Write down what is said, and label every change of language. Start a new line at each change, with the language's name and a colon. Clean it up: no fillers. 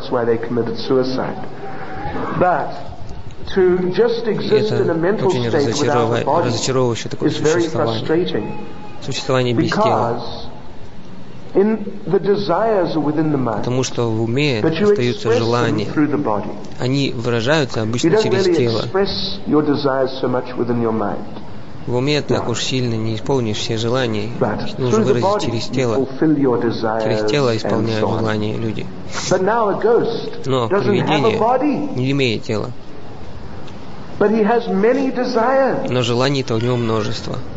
English: That's why they committed suicide. But to just exist in a mental state without a body is very frustrating.
Russian: Существование без тела.
English: In the desires within the mind,
Russian: потому что в уме остаются желания. Они выражаются обычно через тело.
English: You don't really express your desires so much within your mind.
Russian: В уме так уж сильно не исполнишь все желания, их нужно выразить через тело. Через тело исполняют желания люди. Но привидение не имеет тела. Но желаний-то у него множество.